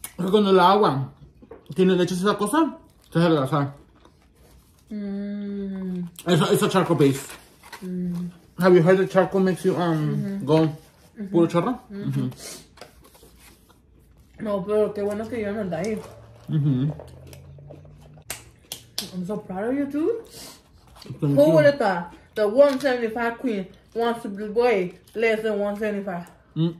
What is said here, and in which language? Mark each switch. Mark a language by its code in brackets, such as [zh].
[es] Es que cuando el agua tiene leche esa cosa, se hace adelgazar. [en] Es a charcoal base. Mm. Have you heard that charcoal makes you go [es] puro chorro? No, pero qué bueno que yo no andé ahí. [en] I'm so proud of you, too. Who would have thought the 175 queen wants to weigh less than 175?